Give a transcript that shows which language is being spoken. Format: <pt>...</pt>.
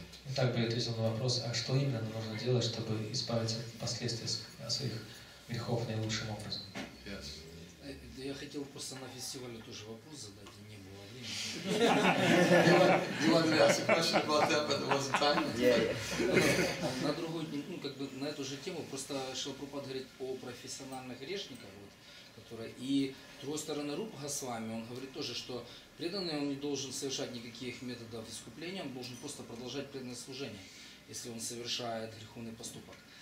<ru>Итак, был ответил на вопрос, а что именно нужно делать, чтобы избавиться от последствий своих грехов наилучшим образом?</ru> <en>Yes.</en> <ru>Я хотел просто на фестивале тоже вопрос задать, и не было времени.</ru> <en>You wanted to ask a question about that, but there wasn't time. Yeah.</en> <ru>На другой день, ну, как бы на эту же тему, просто Шрила Прабхупада говорит о профессиональных грешниках, вот, которые... И с другой стороны, Рупа Госвами, он говорит тоже, что преданный он не должен совершать никаких методов искупления, он должен просто продолжать преданное служение, если он совершает греховный поступок.</ru>